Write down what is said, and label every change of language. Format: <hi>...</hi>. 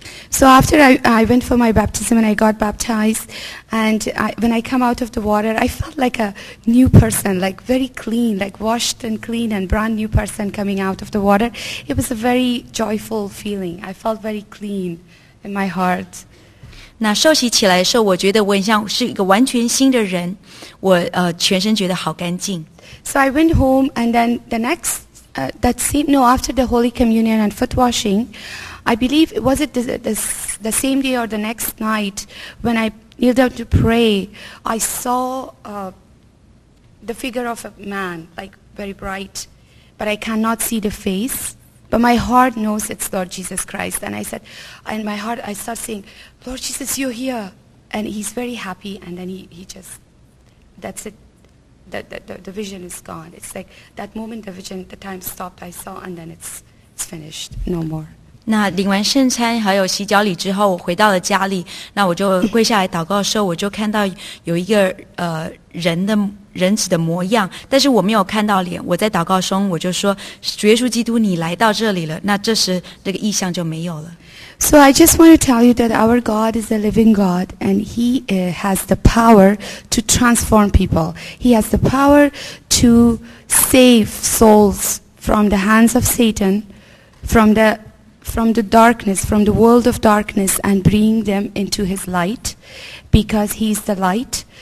<en>So after I went for my baptism and I got baptized, and when I come out of the water, I felt like a new person, like very clean, like washed and clean and brand new person coming out of the water. It was a very joyful feeling. I felt very clean in my heart.</en> <zh>那受洗起来的时候，我觉得我很像是一个完全新的人，我全身觉得好干净。</zh> <en>So I went home, and then the next that same no after the Holy Communion and foot washing, I believe it was it the same day or the next night when I kneeled down to pray, I saw the figure of a man, like very bright, but I cannot see the face. But my heart knows it's Lord Jesus Christ. And I said, in my heart, I start saying, Lord Jesus, you're here. And he's very happy. And then he just, that's it. The vision is gone. It's like that moment, the vision, the time stopped, I saw, and then it's finished. No more.</en> <zh>那领完圣餐还有洗脚礼之后，我回到了家里。那我就跪下来祷告的时候，我就看到有一个人的人子的模样，但是我没有看到脸。我在祷告中，我就说：“主耶稣基督，你来到这里了。”那这时，这个意象就没有了。</zh> <en>So I just want to tell you that our God is a living God, and He has the power to transform people. He has the power to save souls from the hands of Satan, from the darkness, from the world of darkness, and bring them into his light, because he's the light.</en>